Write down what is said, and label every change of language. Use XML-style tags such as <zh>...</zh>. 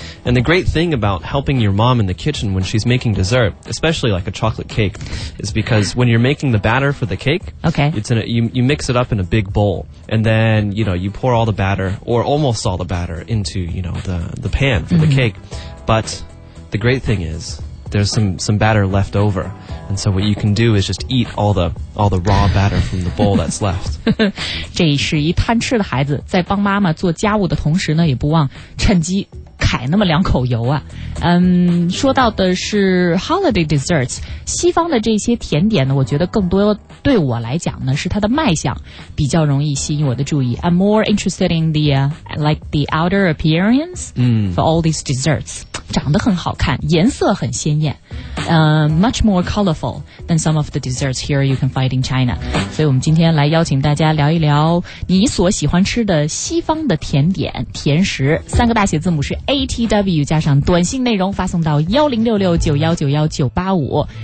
<en>And the great thing about helping your mom in the kitchen when she's making dessert, especially like a chocolate cake, is because when you're making the batter for the cake, you mix it up in a big bowl. And then, you know, you pour all the batter or almost all the batter into, you know, the pan for the cake. But the great thing is there's some batter left over. And so what you can do is just eat all the raw batter from the bowl that's left.</en> <zh>这是一贪吃的孩子，在帮妈妈做家务的同时呢，也不忘趁机揩那么两口油啊。说到的是</zh> <en>holiday desserts,</en> <zh>西方的这些甜点呢，我觉得更多对我来讲呢，是它的卖相比较容易吸引我的注意。</zh> <en>I'm more interested in the outer appearance for all these desserts.</en> <zh>长得很好看，颜色很鲜艳。</zh> <en>Much more colorful than some of the desserts here you can find in China.</en> <zh>所以我们今天来邀请大家聊一聊你所喜欢吃的西方的甜点甜食。三个大写字母是 ATW 加上短信内容发送到10669191985。</zh>